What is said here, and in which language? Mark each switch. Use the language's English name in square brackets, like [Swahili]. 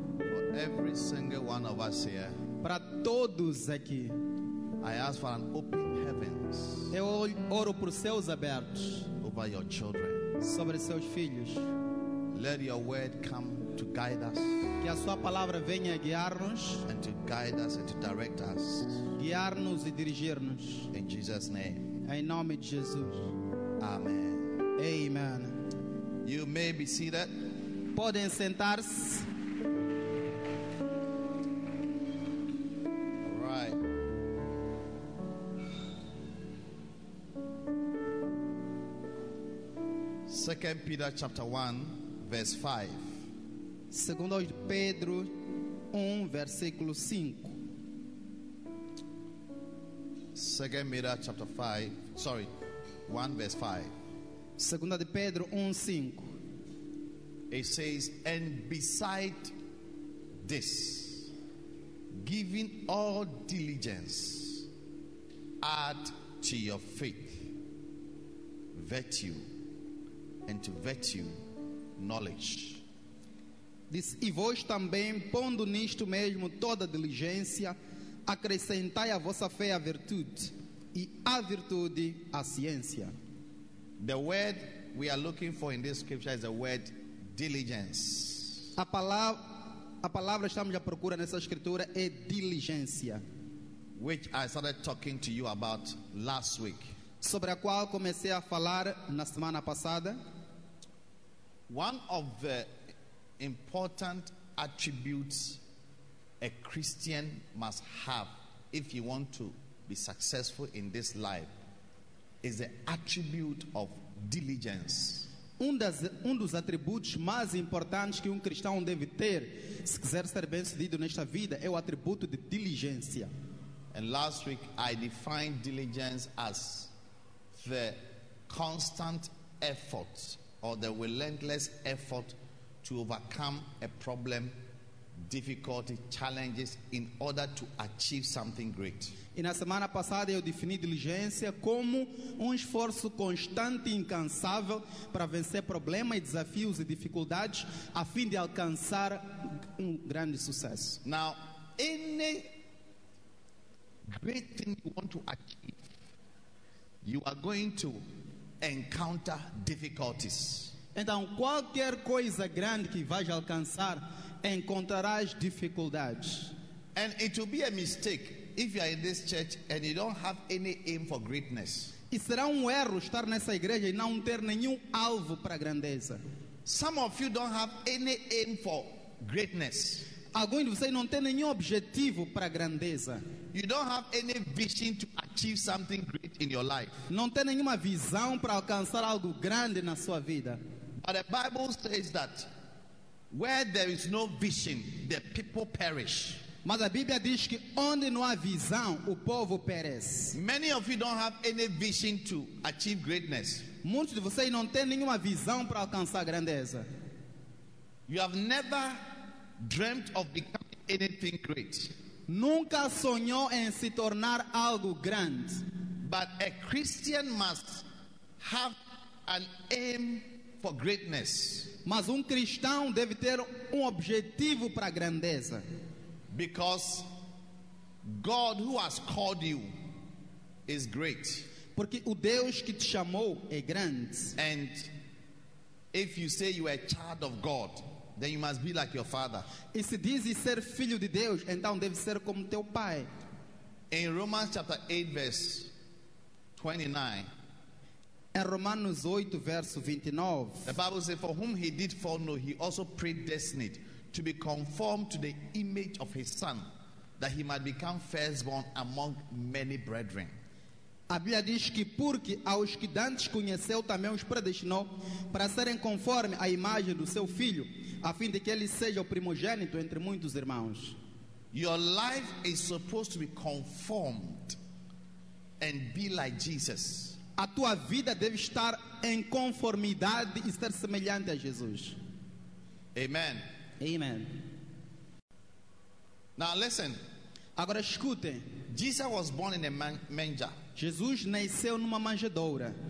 [English] For every single one of us here. [Portuguese] Para todos aqui. [English] I ask for an open heavens. [Portuguese] Eu oro por céus abertos. [English] Over your children. [Portuguese] Sobre seus filhos. [English] Let your word come to guide us. [Portuguese] Que a sua palavra venha a guiar-nos. [English] And to guide us and to direct us. [Portuguese] Guiar-nos e dirigir-nos. [English] In Jesus' name. [Portuguese] Em nome de Jesus. [English] Amen. [Portuguese] Amen. [English] You may be seated. [Portuguese] Podem sentar-se. [English] All right. Second Peter chapter 1 verse 5. [Portuguese] Segundo Pedro 1 versículo 5. [English] Second Peter chapter 5, sorry, 1 verse 5. [Portuguese] Segunda de Pedro 1:5. [English] It says, and beside this, giving all diligence, add to your faith virtue, and to virtue knowledge. [Portuguese] Diz, e vós também, pondo nisto mesmo toda diligência, acrescentai a vossa fé a virtude, e a virtude a ciência. [English] The word we are looking for in this scripture is the word diligence. [Portuguese] A palavra estamos à procura nessa escritura é diligência, [English] which I started talking to you about last week. [Portuguese] Sobre a qual comecei a falar na semana passada. [English] One of the important attributes a Christian must have if you want to be successful in this life is the attribute of diligence. [Portuguese] Um dos atributos mais importantes que um cristão deve ter se quiser ser bem sucedido nesta vida é o atributo de diligência. [English] And last week I defined diligence as the constant effort or the relentless effort to overcome a problem, difficulty, challenges in order to achieve something great. [Portuguese] E na semana passada eu defini diligência como um esforço constante e incansável para vencer problemas, desafios e dificuldades a fim de alcançar um grande sucesso. [English] Now, any great thing you want to achieve, you are going to encounter difficulties. [Portuguese] Então, qualquer coisa grande que vais alcançar, encontrarás dificuldades. [English] And it will be a mistake if you are in this church and you don't have any aim for greatness. [Portuguese] E será um erro estar nessa igreja e não ter nenhum alvo para grandeza. [English] Some of you don't have any aim for greatness. [Portuguese] Alguns de vocês não têm nenhum objetivo para grandeza. [English] You don't have any vision to achieve something great in your life. [Portuguese] Não tem nenhuma visão para alcançar algo grande na sua vida. [English] But the Bible says that where there is no vision, the people perish. [Portuguese] Mas a Bíblia diz que onde não há visão, o povo perece. [English] Many of you don't have any vision to achieve greatness. [Portuguese] Muitos de vocês não têm nenhuma visão para alcançar grandeza. [English] You have never dreamt of becoming anything great. [Portuguese] Nunca sonhou em se tornar algo grande. [English] But a Christian must have an aim for greatness. [Portuguese] Mas cristão deve ter objetivo para grandeza. [English] Because God who has called you is great. [Portuguese] Porque o Deus que te chamou é grande. [English] And if you say you are a child of God, then you must be like your father. [Portuguese] E se dizes ser filho de Deus, então deve ser como teu pai. [English] In Romans chapter 8 verse 29. [Portuguese] Em Romanos 8 verso 29. [English] The Bible says, for whom he did foreknow, he also predestined to be conformed to the image of his son, that he might become firstborn among many brethren. [Portuguese] A Bíblia diz que porque aos que dantes conheceu também os predestinou para serem conforme a imagem do seu filho, a fim de que ele seja o primogênito entre muitos irmãos. [English] Your life is supposed to be conformed and be like Jesus. [Portuguese] A tua vida deve estar em conformidade e ser semelhante a Jesus. [English] Amen. [Portuguese] Amen. [English] Now listen. [Portuguese] Agora escutem. [English] Jesus was born in a manger. [Portuguese] Jesus nasceu numa manjedoura.